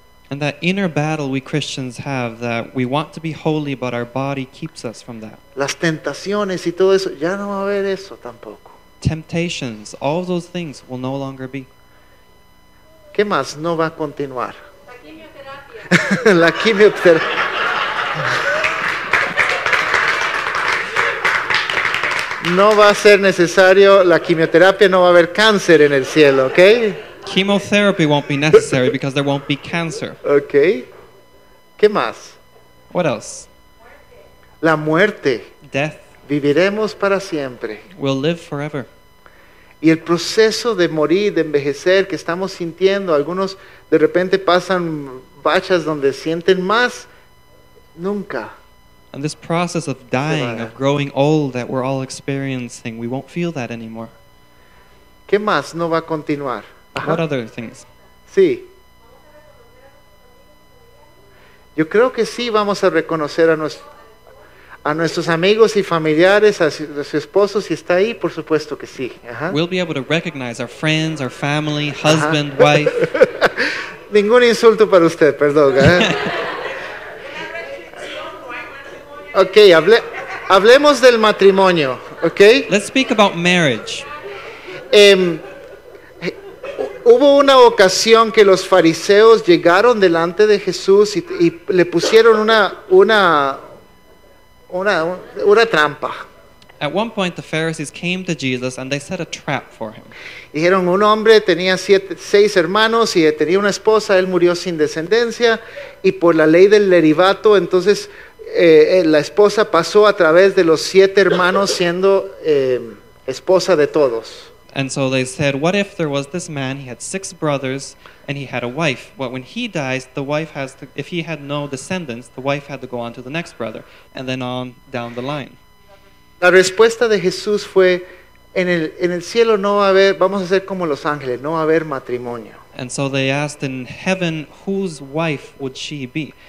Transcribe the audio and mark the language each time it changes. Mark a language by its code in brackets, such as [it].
[en] And that inner battle we Christians have, that we want to be holy, but our body keeps us from that. [es] Las tentaciones y todo eso, ya no va a haber eso tampoco. [en] Temptations, all those things will no longer be. [es] ¿Qué más no va a continuar? La quimioterapia. La quimioterapia. No va a ser necesario la quimioterapia, no va a haber cáncer en el cielo, ¿ok? [en] Chemotherapy won't be necessary because there won't be cancer. [es] Okay. ¿Qué más? [en] What else? [es] La muerte. [en] Death. [es] Viviremos para siempre. [en] We'll live forever. [es] Y el proceso de morir, de envejecer, que estamos sintiendo, algunos de repente pasan bachas donde sienten más, nunca. [en] And this process of dying, of growing old that we're all experiencing, we won't feel that anymore. [es] ¿Qué más no va a continuar? Ajá. [en] What other things? [es] Sí. Yo creo que sí vamos a reconocer a nuestros amigos y familiares, a su esposo si está ahí, por supuesto que sí. Ajá. [en] We'll be able to recognize our friends, our family, husband, ajá, wife. [es] Ningún insulto para usted, perdón. ¿Eh? Okay, hablemos del matrimonio, [en] okay? Let's speak about marriage. [es] Hubo una ocasión que los fariseos llegaron delante de Jesús y le pusieron una trampa. [en] At one point the Pharisees came to Jesus and they set a trap for him. [es] Dijeron, un hombre tenía seis hermanos y tenía una esposa, él murió sin descendencia y por la ley del derivato, entonces la esposa pasó a través de los siete hermanos siendo esposa de todos. [en] And so they said, what if there was this man, he had six brothers, and he had a wife. Well, when he dies, the wife has to, if he had no descendants, the wife had to go on to the next brother, and then on down the line. [es] La respuesta de Jesús fue, en el cielo no va a haber, vamos a ser como los ángeles, no va a haber matrimonio. [en] And so they asked in heaven, whose wife would she be?